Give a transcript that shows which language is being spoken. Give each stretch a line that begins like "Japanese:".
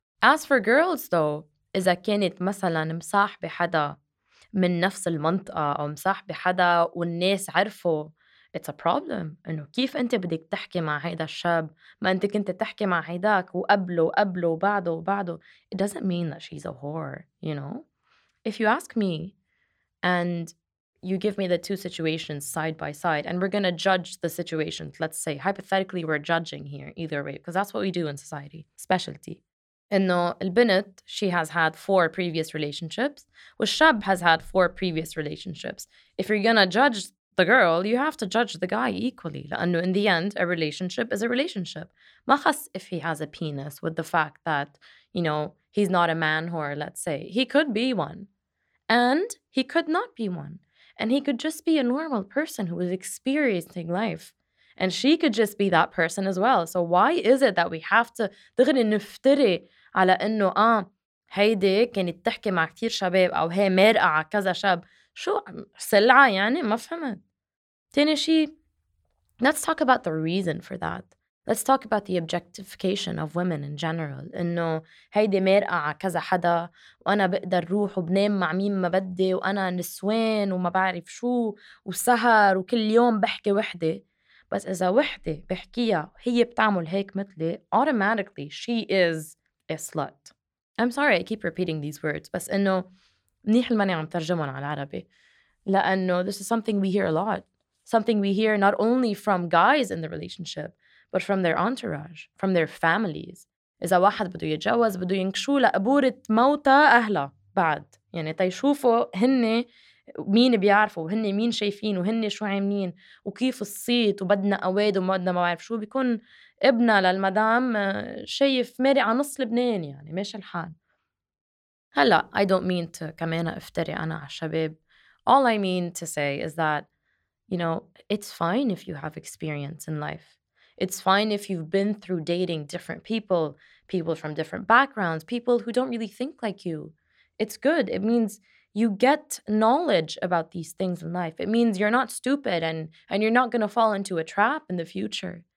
English: As for girls, though,
Arabic: إذا كانت مثلاً مصاحبة حدا من نفس المنطقة أو مصاحبة حدا والناس عرفوا,
English: it's a problem.
Arabic: إنه كيف أنت بدك تحكي مع هيدا الشاب ما أنت كنت تحكي مع هيداك وقبله وقبله وبعده وبعده.
English: It doesn't mean that she's a whore, you know? If you ask me and you give me the two situations side by side and we're going to judge the situations, let's say, hypothetically, we're judging here either way because that's what we do in society, specialty.
Arabic: إنه البنت,
English: she has had four previous relationships.
Arabic: والشاب
English: has had four previous relationships. If you're going to judge the girl, you have to judge the guy equally.
Arabic: لأنه
English: in the end, a relationship is a relationship.
Arabic: ما خص
English: if he has a penis with the fact that, you know, he's not a man whore, let's say. He could be one. And he could not be one. And he could just be a normal person who is experiencing life. And she could just be that person as well. So why is it that we have to
Arabic: دغري نفتري على إنه هيدي كانت تحكي مع كتير شباب أو هي مرأة كذا شاب. شو سلعة يعني ما فهمت. تاني شي,
English: let's talk about the reason for that. let's talk about the objectification of women in general.
Arabic: إنه هيدي مرأة كذا حدا وأنا بقدر روح وبنام مع مين ما بدي وأنا نسوان وما بعرف شو وسهر وكل يوم بحكي وحدة. بس إذا وحدة بحكيها هي بتعمل هيك مثلي,
English: automatically she is a slut. I'm sorry I keep repeating these words,
Arabic: بس إنه منيح الماني عم ترجمهم على العربي, لأنه
English: this is something we hear a lot. Something we hear not only from guys in the relationship, but from their entourage, from their families.
Arabic: إذا واحد بدو يتجوز بدو ينكشو لقبورة موتى أهله بعد, يعني تيشوفوا هن مين بيعرفوا وهن مين شايفين وهن شو عاملين وكيف الصيت وبدنا أواد وما بدنا ما بعرف شو, بيكون ابنا للمدام شايف مارق على نص لبنان يعني ماشي الحال. هلا
English: I don't mean to
Arabic: كمان افتري أنا على الشباب.
English: All I mean to say is that, you know, it's fine if you have experience in life. It's fine if you've been through dating different people, people from different backgrounds, people who don't really think like you. It's good. It means you get knowledge about these things in life. It means you're not stupid and you're not going to fall into a trap in the future.